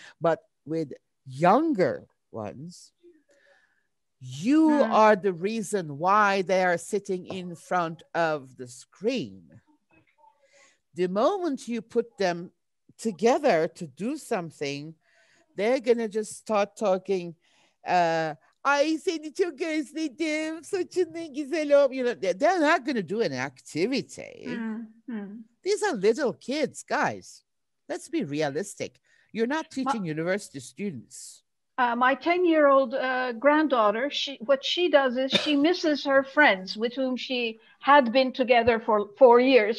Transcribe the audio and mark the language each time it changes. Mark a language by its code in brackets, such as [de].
[en] But with younger ones, you are the reason why they are sitting in front of the screen. The moment you put them together to do something, they're going to just start talking. [tr] Ay seni çok özledim, saçın ne güzel oldu. [en] You know, they're not going to do an activity. These are little kids, guys. Let's be realistic. You're not teaching university students. My 10-year-old granddaughter, what she does is she misses her friends with whom she had been together for 4 years.